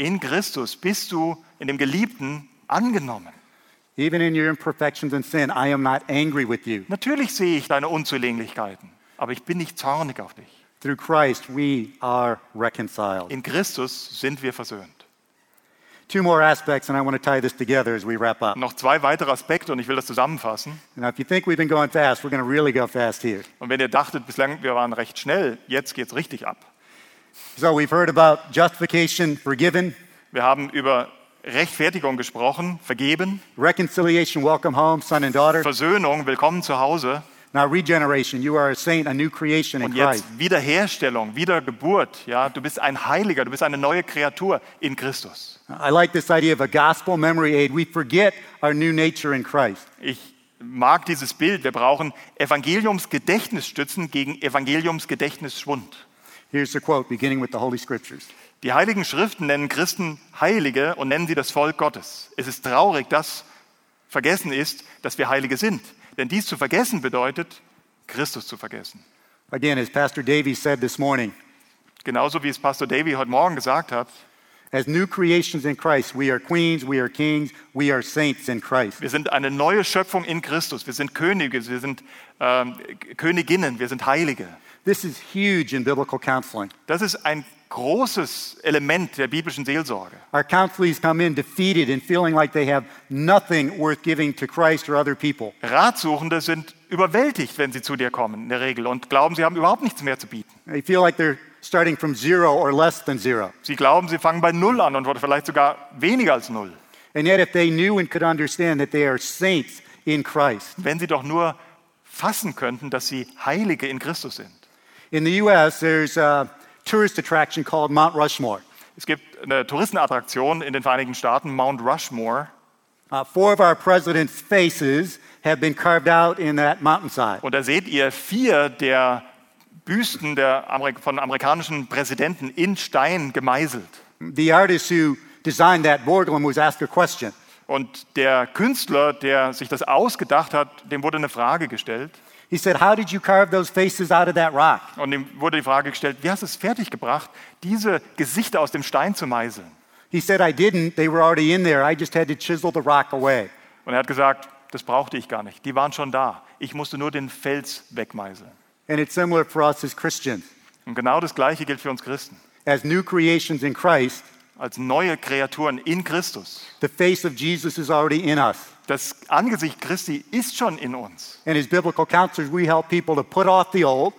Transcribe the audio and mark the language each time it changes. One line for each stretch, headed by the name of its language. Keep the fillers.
German: In Christus bist du in dem geliebten angenommen.
English: Even in your imperfections and sin I am not angry with you.
German: Natürlich sehe ich deine Unzulänglichkeiten, aber ich bin nicht zornig auf dich.
English: Through Christ we are reconciled.
German: In Christus sind wir versöhnt. Noch zwei weitere Aspekte und ich will das zusammenfassen. Und wenn ihr dachtet bislang wir waren recht schnell, jetzt geht's richtig ab. So Wir haben über Rechtfertigung gesprochen, vergeben. Versöhnung, willkommen zu Hause.
English: Now regeneration, you are a saint, a new creation
German: und in Und jetzt Wiederherstellung, Wiedergeburt, ja, du bist ein Heiliger, du bist eine neue Kreatur in Christus. I like
English: this idea of a gospel memory aid. We forget our new nature in Christ.
German: Ich mag dieses Bild. Wir brauchen Evangeliumsgedächtnisstützen gegen Evangeliumsgedächtnisschwund.
English: Here's the quote beginning with the Holy Scriptures.
German: Die heiligen Schriften nennen Christen Heilige und nennen sie das Volk Gottes. Es ist traurig, dass vergessen ist, dass wir Heilige sind. Denn dies zu vergessen bedeutet, Christus zu vergessen.
English: Again, as Pastor Davy said this morning,
German: genauso wie es Pastor Davy heute Morgen gesagt hat,
English: As new creations in Christ, we are queens, we are kings, we are saints in Christ.
German: Wir sind eine neue Schöpfung in Christus. Wir sind Könige, wir sind ähm, Königinnen, wir sind Heilige.
English: This is huge in biblical counseling.
German: Das ist ein großes Element der biblischen Seelsorge.
English: Our counselors come in defeated and feeling like they have nothing worth giving to Christ or other people.
German: Ratsuchende sind überwältigt, wenn sie zu dir kommen, in der Regel, und glauben, sie haben überhaupt nichts mehr zu bieten.
English: They feel like they're
German: Sie glauben, sie an
English: and yet, if they knew and could understand that they are saints in Christ,
German: wenn sie doch nur fassen könnten, dass sie Heilige in Christus sind.
English: In the U.S., there's a tourist attraction called Mount Rushmore.
German: Es gibt eine Touristenattraktion in den Vereinigten Staaten, Mount Rushmore.
English: Uh, four of our president's faces have been carved out in that mountainside.
German: Und da seht ihr vier der Büsten Amerik von amerikanischen Präsidenten in Stein gemeißelt.
English: The artist who designed that Borglum was asked a question.
German: Und der Künstler, der sich das ausgedacht hat, dem wurde eine Frage gestellt.
English: He said, "How did you carve those faces out of that rock?"
German: Und ihm wurde die Frage gestellt, wie hast du es fertig gebracht, diese Gesichter aus dem Stein zu meißeln?
English: He said, "I didn't. They were already in there. I just had to chisel the rock away."
German: Und er hat gesagt, das brauchte ich gar nicht. Die waren schon da. Ich musste nur den Fels wegmeißeln. Und genau das gleiche gilt für uns Christen.
English: As new creations in Christ,
German: als neue Kreaturen in Christus.
English: The face of Jesus is already in us.
German: Das Angesicht Christi ist schon in uns.
English: And as biblical counselors, we help people to put off the old.